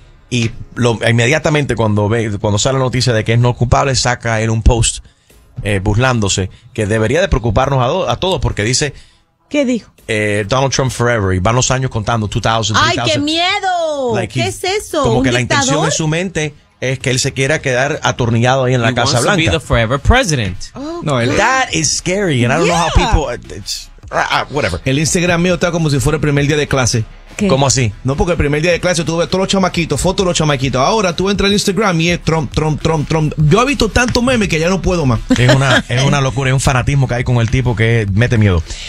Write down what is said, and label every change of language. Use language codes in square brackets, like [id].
[es] Y inmediatamente cuando sale la noticia de que es no culpable, saca él un post burlándose, que debería de preocuparnos a todos, porque dice... ¿Qué dijo? Donald Trump forever, y van los años contando, 2000, 3000. ¡Ay, qué miedo! Like, ¿qué es eso? Como ¿un que dictador? La intención de su mente es que él se quiera quedar atornillado ahí en la [en] he [es] Casa [en] wants [es] Blanca. [en] To be the forever president. Oh, no, él, that is scary, and I don't know how people... It's, whatever. [es] El Instagram mío está como si fuera el primer día de clase. ¿Qué? ¿Cómo así? No, porque el primer día de clase tú ves todos los chamaquitos, fotos de los chamaquitos. Ahora tú entras al Instagram y es Trump. Yo he visto tantos memes que ya no puedo más. Es una locura, es un fanatismo que hay con el tipo que mete miedo.